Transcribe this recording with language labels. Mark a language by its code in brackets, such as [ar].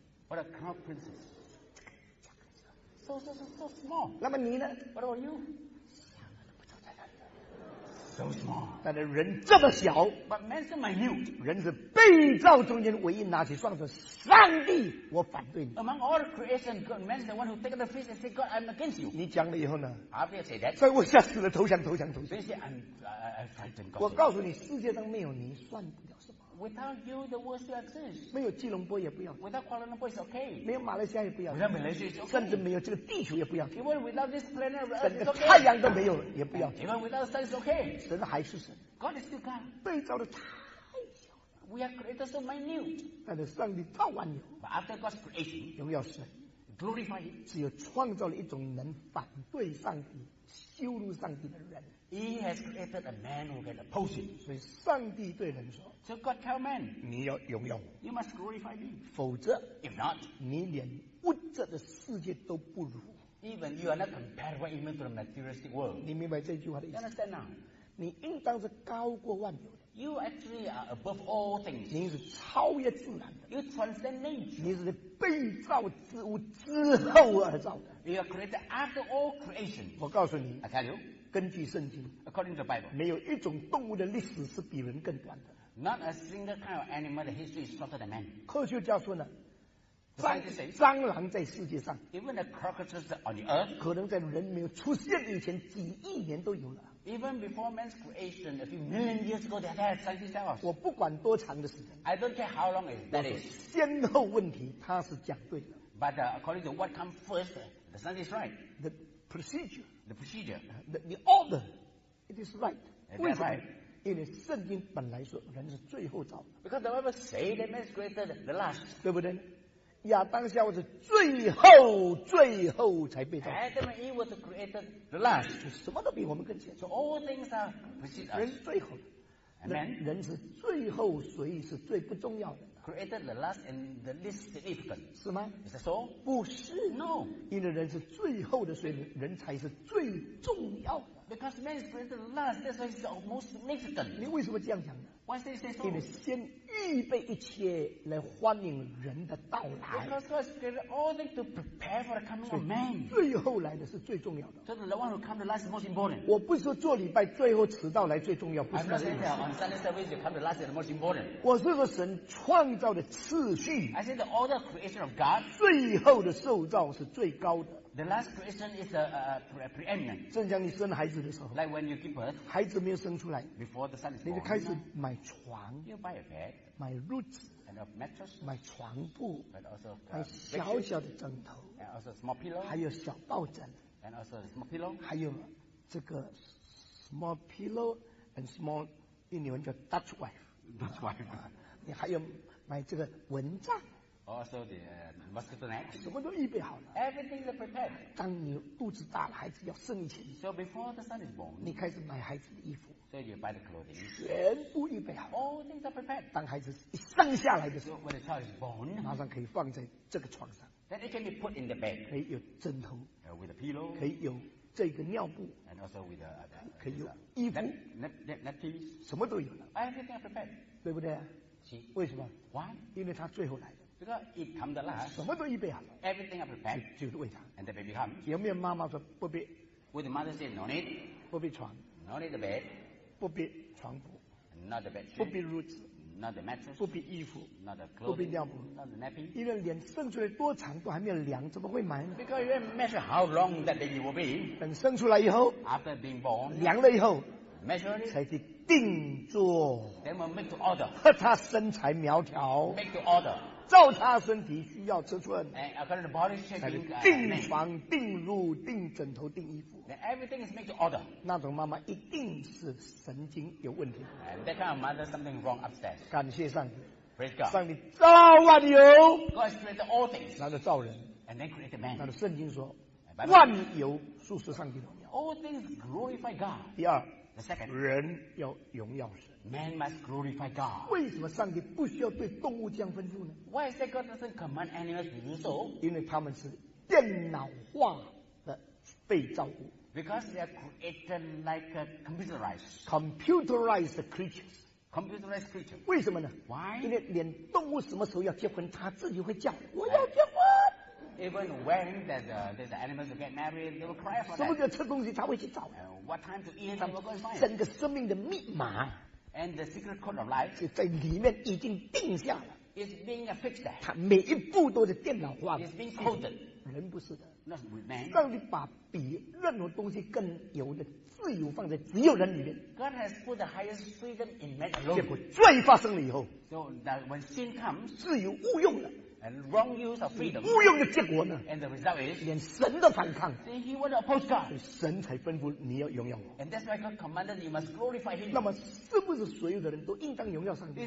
[en] ？What are Crown Princes? So small. [zh] 那么你呢 [en] ？What about you? [zh] 不知道在哪里 ？ [en] So small. [zh] 但是人这么小 [en] ，But man is minute. [zh] 人是被造中间唯一拿起双手，上帝，我反对你。 [en] Among all creation, God, man is the one who takes the fist and say, God, I'm against you. [zh] 你讲了以后呢 [en] ？I'll say that. [zh] 所以我吓死了，投降。 [en] So you say, I'm frightened, God. [zh] 我告诉你，世界上没有你算不了什么。 [en] Without you, the world still exists. [zh] 没有吉隆坡也不要。 [en] Without Kuala Lumpur, it's okay. [zh] 没有马来西亚也不要。 [en] Without Malaysia, it's okay. [zh] 甚至没有这个地球也不要。 [en] Even without this planet, it's okay. [zh] 整个太阳都没有也不要。 [en] Even without the sun, it's okay. [zh] 神还是神。 [en] God is still God. [zh] 被造的他。 [en] We are created so minute. [zh] 但是上帝造万有。 [en] But after God's creation, [zh] 荣耀神 [en] glorify him. [zh] 只有创造了一种能反对上帝、羞辱上帝的人。 [en] He has created a man who can oppose him. [zh] 所以上帝对人说 [en] ，So God tell man, [zh] 你要荣耀我。 [en] You must glorify me. [zh] 否则 [en] ，If not, [zh] 你连物质的世界都不如。 [en] Even you are not comparable even to the materialistic world. [zh] 你明白这句话的意思 [en] ？Understand now. [zh] 你应当是高过万有。 [en] You actually are above all things. [zh] 你是超越自然的。 [en] You transcend nature. [zh] 你是被造之物之后而造的。 [en] You are created after all creation. [zh] 我告诉你 [en] ，I tell you， [zh] 根据圣经 [en] ，according to the Bible， [zh] 没有一种动物的历史是比人更短的。 [en] Not a single kind of animal the history is shorter than man. [zh] 科学家说呢。蟑螂在世界上 [en] ，Even the cockroaches on the earth， [zh] 可能在人没有出现以前几亿年都有了。 [en] Even before man's creation, a few million years ago, they had scientists tell us. [zh] 我不管多长的时间 [en] ，I don't care how long it that is. [zh] 先后问题，他是讲对的。 [en] But according to what comes first, the science is right. The procedure, the order, it is right. That's right. [zh] 因为圣经本来说人是最后造的。 [en] Because the Bible says that man is created the last. [zh] 对不对？亚当夏娃是最后才被造。 [en] Adam and Eve was created the last， [zh] 什么都比我们更先。 [en] So all things are preceded us。 [zh] 人最后的 [en] ，Amen。 [zh] 人是最后，所以是最不重要的。 [en] Created the last and the least significant， [zh] 是吗 [en] ？Is that so？ [zh] 不是 [en] ，No。 [zh] 因为人是最后的，所以人才是最重要的。 [en] Because man is created the last， that's why it's the most significant。 [zh] 你为什么这样讲呢？ [en] Why did he say so? [zh] 因为先预备一切来欢迎人的到来。 [en] Because God created all things to prepare for the coming of man. [zh] 最后来的是最重要的。 [en] So the one who comes last is most important. [zh] 我不是说做礼拜最后迟到来最重要，不是。 [en] I'm not saying that on Sunday service you come to last is the most important. [zh] 我是说神创造的次序。 [en] I said the order creation of God. [zh] 最后的受造是最高的。 [en] The last creation is preeminent. [zh] 正像你生孩子的时候 [en] ，like when you give birth， [zh] 孩子没有生出来 [en] ，before the son is born， [zh] 你就开始买床 [en] ，you buy a bed， [zh] 买褥子 [en] ，and a mattress， [zh] 买床铺 [en] ，but also [zh] 买小小的枕头 [en] ，and also small pillow， [zh] 还有小抱枕 [en] and also small pillow. [zh] 还有这个 [en] small pillow and small [zh] 印尼文叫 Dutch wife. [en] Dutch wife. [zh] 你还有买这个蚊帐。 [en] Also the mosquito net. [zh] 什么都预备好了。 [en] Everything is prepared. [zh] 当你肚子大了，孩子要生前。 [en] So before the son is born. [zh] 你开始买孩子的衣服。 [en] So you buy the clothing. [zh] 全部预备好。 [en] All things are prepared. [zh] 当孩子一生下来的时候。 [en] So when the child is born. [zh] 马上可以放在这个床上。 [en] Then it can be put in the bed. [zh] 可以有枕头。 [en] With a pillow. [zh] 可以有这个尿布。 [en] And also with a. [zh] 可以有衣服。 [en] Napkins. [zh] 什么都有了。 [en] Everything is prepared. [zh] 对不对啊？ [en] See. [zh] 为什么 [en] ？Why? [zh] 因为他最后来的。 [en] Because it comes the last, [zh] 什么都预备好了 [en] ，everything are prepared， [zh] 就是喂他 [en] ，and the baby comes。 [zh] 有没有妈妈说不必 [en] ？Would the mother say no need？ [zh] 不必床 [en] ，no need the bed， [zh] 不必床铺 [en] ，not the bed， [zh] 不必褥子 [en] ，not the mattress， [zh] 不必衣服 [en] ，not the clothes， [zh] 不必尿布 [en] ，not the napping。 [zh] 因为脸生出来多长都还没有量，怎么会买呢 [en] ？Because you measure how long that baby will be。 [zh] 等生出来以后 [en] ，after being born， [zh] 量了以后 [en] ，measure [zh] 才去定做 [en] ，then we make to order。 [zh] 他身材苗条 [en] ，make to order。 [zh] 照他身体需要尺寸，哎，定床、定褥、定枕头、定衣服。 [en] Everything is made to order。 [zh] 那种妈妈一定是神经有问题。 [en] And that kind of mother something wrong upstairs。 [zh] 感谢上帝 [en] ，Praise God。 [zh] 上帝造万有 [en] ，God created all things。 [zh] 那就造人 [en] ，And then created man。 [zh] 那就圣经说，万有属是上帝的荣耀。 [en] All things glorify God。 [zh] 第二。 [en] The second, [zh] 人要荣耀神。 [en] Man must glorify God. [zh] 为什么上帝不需要对动物这样吩咐呢 [en] ？Why is that God doesn't command animals to do so? [zh] 因为他们是电脑化的被造物。 [en] Because they are created like a computerized. Computerized creatures. Computerized creatures. [zh] 为什么呢 [en] ？Why? [zh] 因为连动物什么时候要结婚，它自己会叫。我要结婚。 [en] Even when the animals get married, they will cry for that. [zh] 什么时候吃东西，它会去找。 [en] What time to eat, they will go and find. [zh] 整个生命的密码。 [en] And the secret code of life [zh] 就在里面已经定下了。 [en] It's being fixed. [zh] 它每一步都是电脑化的。 [en] It's being coded. [zh] 人不是的。 [en] Not with man. [zh] 让你把比任何东西更有的自由放在只有人里面。 [en] God has put the highest freedom in man alone. [zh] 结果罪发生了以后。 [en] So that when sin comes, [zh] 自由误用了。 [en] And wrong use of freedom. [zh] 误用的结果呢？ [en] And the result is, [zh] 连神都反抗。 [en] See, he would oppose God. [zh] 神才吩咐你要荣耀我。 [en] And that's why God commanded you must glorify him. [zh] 那么是不是所有的人都应当荣耀上帝？